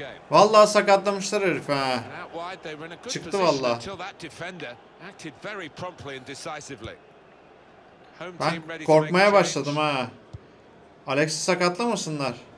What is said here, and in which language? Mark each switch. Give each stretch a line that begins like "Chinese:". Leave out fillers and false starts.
Turkish: Vallahi sakatlamışlar herif ha. Çıktı vallahi.
English: acted very promptly and decisively.
Turkish: Ben korkmaya başladım ha. Alex'i sakatlamasınlar.